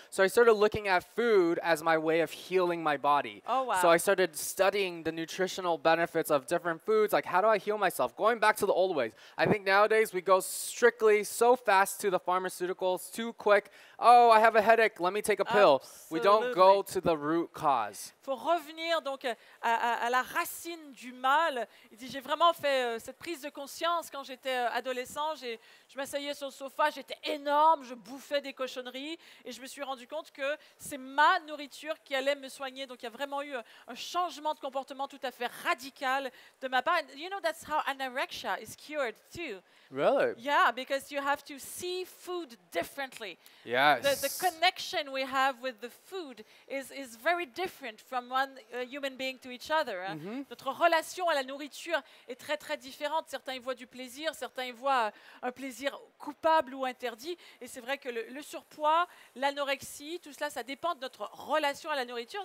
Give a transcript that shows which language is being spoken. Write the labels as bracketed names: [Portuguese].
[English] So I started looking at food as my way of healing my body. Oh, wow. So I started studying the nutritional benefits of different foods. Like, how do I heal myself? Going back to the old ways. I think nowadays we go strictly so fast to the pharmaceuticals, too quick. Oh, I have a headache. Let me take a pill. Absolutely. We don't go to the root cause. [French] Faut revenir donc à la racine du mal. Il dit, j'ai vraiment fait cette prise de conscience quand j'étais adolescent. Je m'asseyais sur le sofa, j'étais énorme, je bouffais des cochonneries et je me suis rendu compte que c'est ma nourriture qui allait me soigner. Donc il y a vraiment eu un changement de comportement tout à fait radical de ma part. [English] And you know, that's how anorexia is cured too. Really? Yeah, because you have to see food differently. Yes. The connection we have with the food is very different from from one human being to each other. Hein. Mm-hmm. [French] Notre relation à la nourriture est très, très différente. Certains y voient du plaisir, certains y voient un plaisir coupable ou interdit. Et c'est vrai que le surpoids, l'anorexie, tout cela, ça dépend de notre relation à la nourriture.